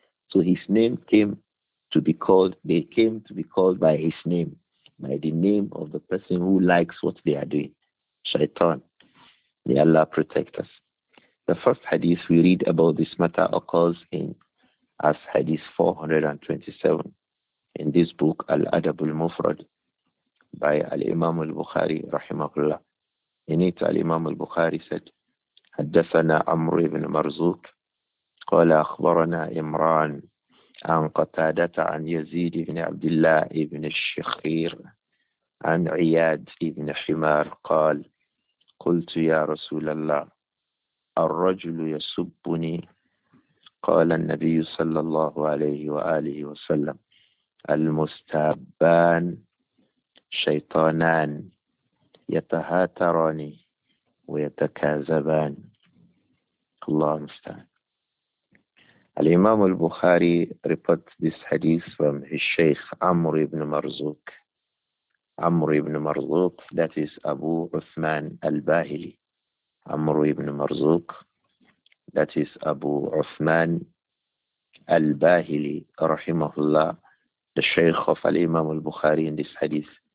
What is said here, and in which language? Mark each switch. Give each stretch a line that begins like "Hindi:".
English: So his name came to be called, they came to be called by his name, by the name of the person who likes what they are doing, shaitan. May Allah protect us. The first hadith we read about this matter occurs in as hadith 427 in this book, Al-Adab al-Mufrad, by Al-Imam al-Bukhari, rahimahullah. In it, Al-Imam al-Bukhari said,
Arabic: حَدَّثَنَا عَمْرُ بْنُ مَرْزُوكَ قَالَ أَخْبَرَنَا إِمْرَانَ عن قتادة عن يزيد بن عبد الله بن الشخير عن عياد بن حمار قال قلت يا رسول الله الرجل يسبني قال النبي صلى الله عليه وآله وسلم المستابان شيطانان يتهاتران ويتكاذبان الله المستعان.
English: Al-Imam al-Bukhari reports this hadith from his Shaykh Amr ibn Marzuk. Amr ibn Marzuk, that is Abu Uthman al-Bahili. Amr ibn Marzuk, that is Abu Uthman al-Bahili, rahimahullah, the Shaykh of Al-Imam al-Bukhari in this hadith.